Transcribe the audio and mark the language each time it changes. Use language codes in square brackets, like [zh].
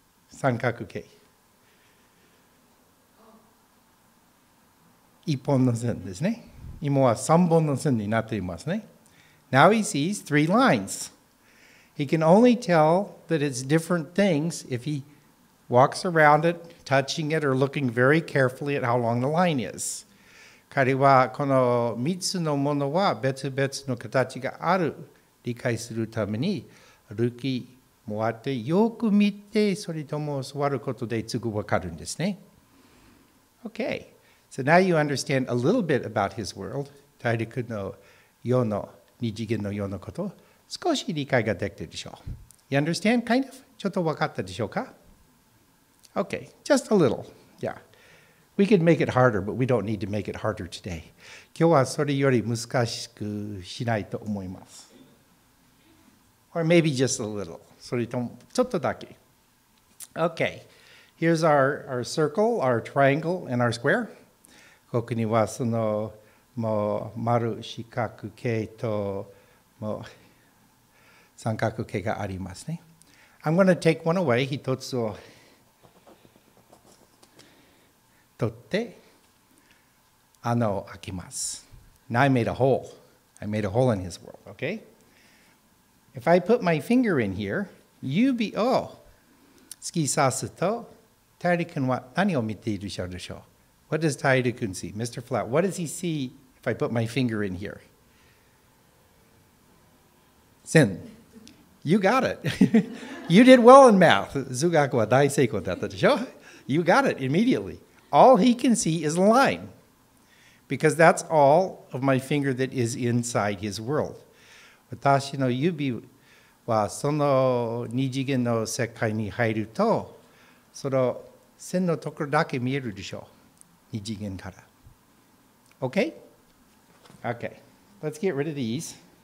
[ja] 三角形。一本の線ですね。今は三本の線になっていますね。 [en] Now he sees three lines. He can only tell that it's different things if he walks around it, touching it, or looking very carefully at how long the line is. [ja] 彼はこの3つのものは別々の形がある理解するために歩き回ってよく見てそれとも座ることですぐ分かるんですね。 [en] Okay, so now you understand a little bit about his world, [ja] 大陸の世の二次元の世のこと、少し理解ができたでしょう。 [en] You understand? Kind of? [ja] ちょっと分かったでしょうか? [en] Okay, just a little, yeah. We could make it harder, but we don't need to make it harder today. [ja] 今日はそれより難しくしないと思います。 [en] Or maybe just a little. [ja] それともちょっとだけ。 [en] Okay. Here's our circle, our triangle, and our square. [ja] ここにはそのもう丸四角形ともう三角形がありますね。 [en] I'm going to take one away. [ja] 一つを取って穴を開きます。 [en] Now I made a hole. I made a hole in his world, okay? If I put my finger in here, you'd be, oh! [ja] 突き刺すと、大陸君は何を見ているでしょうでしょう? [en] What does 大陸君 see? Mr. Flat, what does he see if I put my finger in here? Sin. You got it. You did well in math. [ja] 数学は大成功だったでしょう? [en] You got it immediately. All he can see is a line, because that's all of my finger that is inside his world. [ja] 私の指はその二次元の世界に入ると、その線のところだけ見えるでしょう、二次元から。 [en] Okay? Okay. Let's get rid of these.